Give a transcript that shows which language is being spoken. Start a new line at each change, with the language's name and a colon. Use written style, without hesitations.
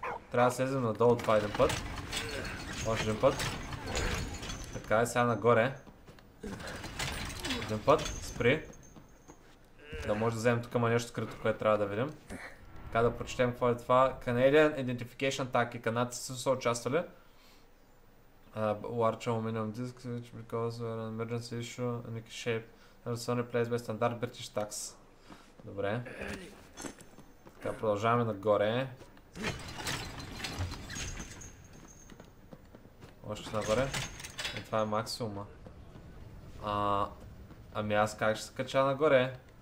Bulgarian: Трябва да слезем надолу това един път. Още един път. Така е сега нагоре. Един път, спри. Да може да вземем тук има нещо скрито, което трябва да видим. Така да прочетем какво е това.
English: Canadian Identification Tag
Bulgarian: и канадците са участвали.
English: Large aluminum disc, which because of an emergency issue, unique shape. And it's only placed by standard British tax.
Bulgarian: Добре. Така, продължаваме нагоре. Още нагоре. И това е максимума. Ами аз как ще се кача нагоре?